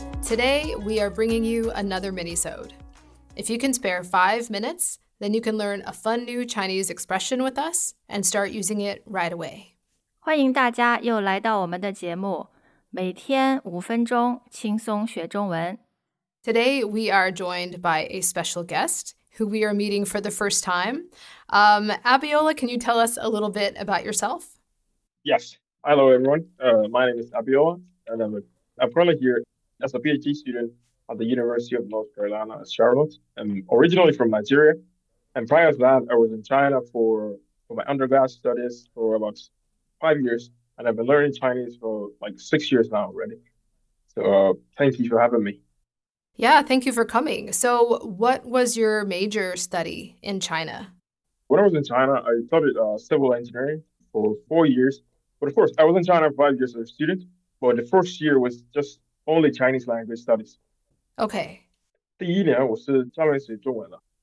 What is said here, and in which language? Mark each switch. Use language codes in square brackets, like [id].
[en] Today, we are bringing you another mini-sode. If you can spare 5 minutes, then you can learn a fun new Chinese expression with us and start using it right away. [zh] 欢迎大家又来到我们的节目。每天五分钟，轻松学中文。 [en] Today, we are joined by a special guest who we are meeting for the first time. Abiola, can you tell us a little bit about yourself? Yes. Hello, everyone. My name is Abiola, and I'm currently here as a PhD student at the University of North Carolina, Charlotte. I'm originally from Nigeria. And prior to that, I was in China for my undergrad studies for about 5 years. And I've been learning Chinese for like 6 years now already. So thank you for having me. Yeah, thank you for coming. So what was your major study in China? When I was in China, I studied civil engineering for 4 years. But of course, I was in China for 5 years as a student. But the first year was just only Chinese language studies. Okay. [zh] 第一年我是专门学中文的。